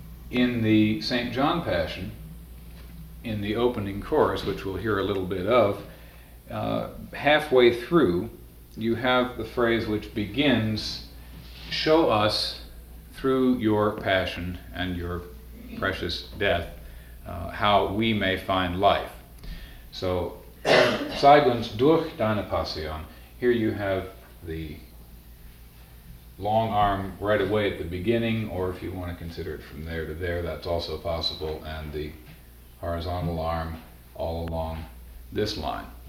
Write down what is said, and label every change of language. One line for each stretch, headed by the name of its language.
English: In the St. John Passion, in the opening chorus, which we'll hear a little bit of, halfway through, you have the phrase which begins, "Show us through your passion and your precious death how we may find life."
German: So, zeig uns durch deine Passion.
English: Here you have the long arm right away at the beginning, or if you want to consider it from there to there, that's also possible, and the horizontal arm all along this line.